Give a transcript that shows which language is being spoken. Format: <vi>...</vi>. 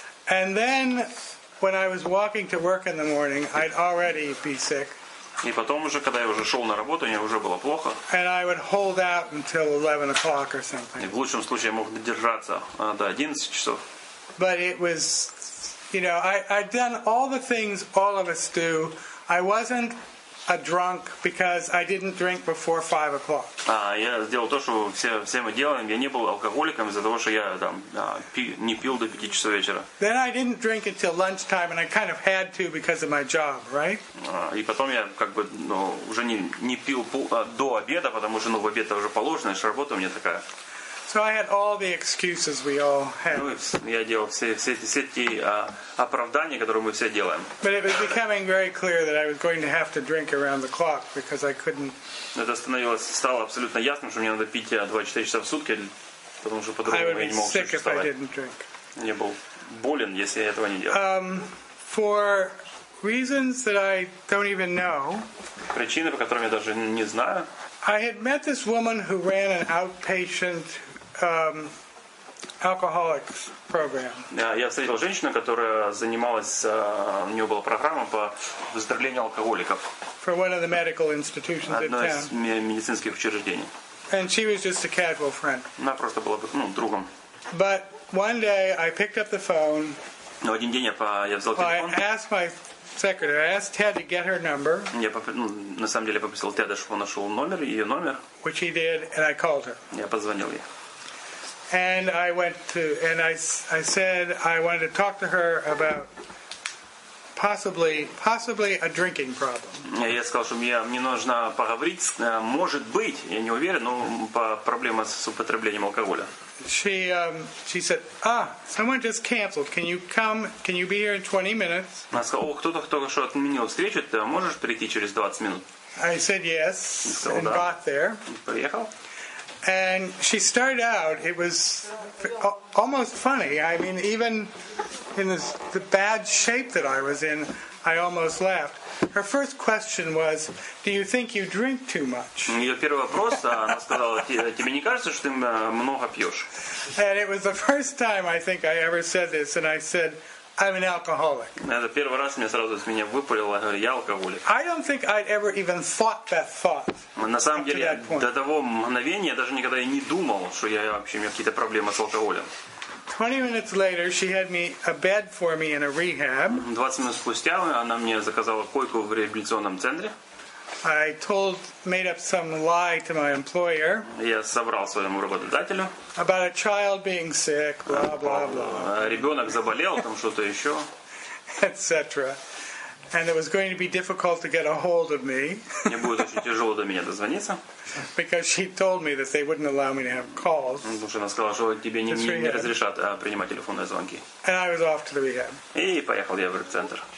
<en>And then when I was walking to work in the morning, I'd already be sick.</en> <ru>И потом уже, когда я уже шел на работу, мне уже было плохо.</ru> <en>And I would hold out until 11 o'clock or something.</en> <ru>И в лучшем случае я мог додержаться до 11 часов.</ru> <en>But it was, you know, I'd done all the things all of us do. I wasn't a drunk because I didn't drink before 5 o'clock.</en> <ru>Я сделал то, что все мы делаем. Я не был алкоголиком из-за того, что я там не пил до 5 часов вечера.</ru> <en>Then I didn't drink until lunchtime, and I kind of had to because of my job, right?</en> <ru>И потом я как бы уже не пил до обеда, потому что в обед это уже положено, и работа у меня такая.</ru> <en>So I had all the excuses we all had.</en> <ru>Я делал все эти оправдания, которые мы все делаем.</ru> <en>But it was becoming very clear that I was going to have to drink around the clock because I couldn't.</en> <ru>Это стало абсолютно ясно, что мне надо пить 24 часа в сутки, потому что по-другому я не мог существовать.</ru> <en>I would be sick if I didn't drink.</en> <ru>Я был болен, если я этого не делал.</ru> <en>For reasons that I don't even know.</en> <ru>Причины, по которым я даже не знаю.</ru> <en>I had met this woman who ran an outpatient alcoholics program.</en> <ru>Я встретил женщину, которая занималась, у нее была программа по выздоровлению алкоголиков.</ru> <en>For one of the medical institutions in town.</en> <ru>Одно из медицинских учреждений.</ru> <en>And she was just a casual friend.</en> <ru>Она просто была, другом.</ru> <en>But one day I picked up the phone.</en> <ru>Но один день я взял телефон.</ru> <en>I asked my secretary. I asked Ted to get her number.</en> <ru>Я на самом деле попросил Теда, чтобы он нашел номер, ее номер.</ru> <en>Which he did, and I called her.</en> <ru>Я позвонил ей.</ru> <en>And I went to, and I said I wanted to talk to her about possibly a drinking problem.</en> <ru>Я сказал, что мне нужно поговорить, может быть, я не уверен, но по проблема с употреблением алкоголя.</ru> <en>She said, someone just canceled. Can you come? Can you be here in 20 minutes?</en> <ru>Она сказала, кто-то только что отменил встречу, ты можешь прийти через 20 минут?</ru> <en>I said yes, and got there.</en> <ru>Поехал.</ru> <en>And she started out, it was almost funny. I mean, even in the bad shape that I was in, I almost laughed. Her first question was, do you think you drink too much?</en> <ru>Её первый вопрос, она сказала, тебе не кажется, что ты много пьёшь?</ru> <en>And it was the first time I think I ever said this, and I said, I'm an alcoholic.</en> <ru>Это первый раз, мне сразу из меня выпалило, я говорю, я алкоголик.</ru> <en>I don't think I'd ever even thought that thought.</en> <ru>На самом деле, до того мгновения я даже никогда и не думал, что я вообще, у меня какие-то проблемы с алкоголем.</ru> <en>20 minutes later, she had me a bed for me in a rehab.</en> <ru>20 минут спустя она мне заказала койку в реабилитационном центре.</ru> <en>I made up some lie to my employer.</en> <ru>Я соврал своему работодателю.</ru> <en>About a child being sick, blah blah blah.</en> <ru>Ребенок заболел, там что-то еще.</ru> <en>Etc. And it was going to be difficult to get a hold of me.</en> <ru>Мне будет очень тяжело до меня дозвониться.</ru> <en>Because she told me that they wouldn't allow me to have calls.</en> <ru>Потому что она сказала, что тебе не разрешат принимать телефонные звонки.</ru> <en>And I was off to the rehab.</en> <ru>И поехал я в реабилитацию.</ru>